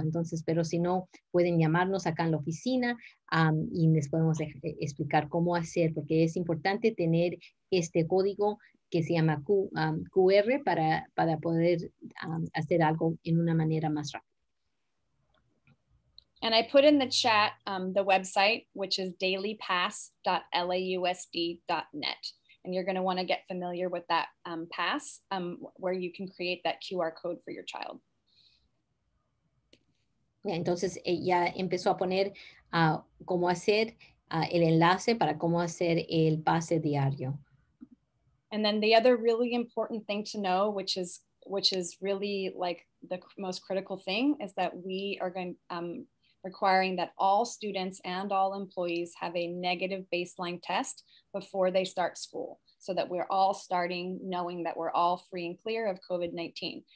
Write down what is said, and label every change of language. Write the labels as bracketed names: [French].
[Spanish] Entonces, pero si no, pueden llamarnos acá en la oficina y les podemos explicar cómo hacer, porque es importante tener este código que se llama QR para poder hacer algo en una manera más rápida. [English] And I put in the chat the website, which is dailypass.lausd.net. And you're going to want to get familiar with that pass where you can create that QR code for your child. Yeah, [Spanish] entonces ella empezó a poner cómo hacer el enlace para cómo hacer el pase diario. [English] And then the other really important thing to know, which is really like the most critical thing, is that we are going to requiring that all students and all employees have a negative baseline test before they start school, so that we're all starting knowing that we're all free and clear of COVID-19.